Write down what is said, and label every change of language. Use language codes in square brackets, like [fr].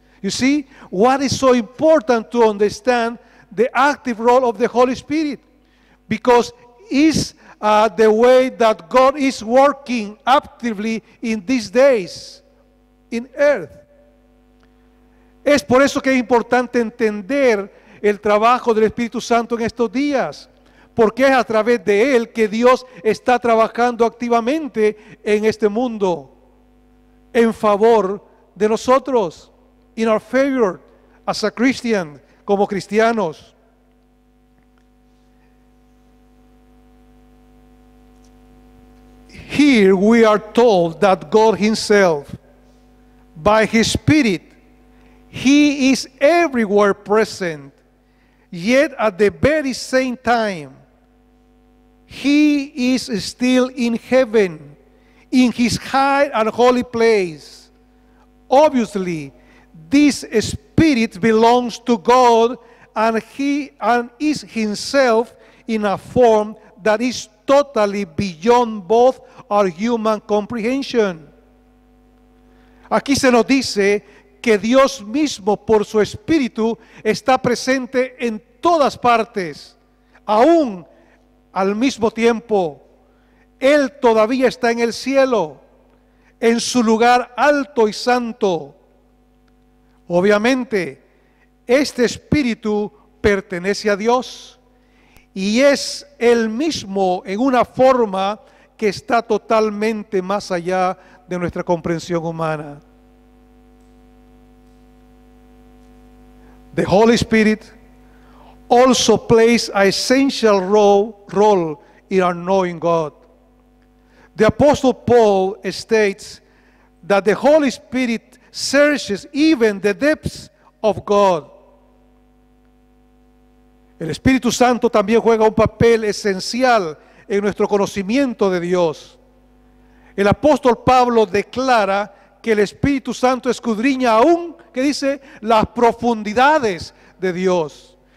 [en] You see, what is so important to understand the active role of the Holy Spirit? Because it's the way that God is working actively in these days in earth. [es] Es por eso que es importante entender el trabajo del Espíritu Santo en estos días, porque es a través de Él que Dios está trabajando activamente en este mundo en favor de nosotros. In our favor as a Christian, como cristianos. [en] Here we are told that God Himself, by His Spirit, He is everywhere present, yet at the very same time, He is still in heaven, in His high and holy place. Obviously, this Spirit belongs to God, and is Himself in a form that is totally beyond both our human comprehension. [es] Aquí se nos dice que Dios mismo, por su Espíritu, está presente en todas partes, aún al mismo tiempo. Él todavía está en el cielo, en su lugar alto y santo. Obviamente, este Espíritu pertenece a Dios y es Él mismo en una forma que está totalmente más allá de nuestra comprensión humana. [en] The Holy Spirit also plays an essential role in our knowing God. The Apostle Paul states that the Holy Spirit searches even the depths of God. [es] El Espíritu Santo también juega un papel esencial en nuestro conocimiento de Dios. El apóstol Pablo declara que el Espíritu Santo escudriña aún, ¿qué dice?, las profundidades de Dios.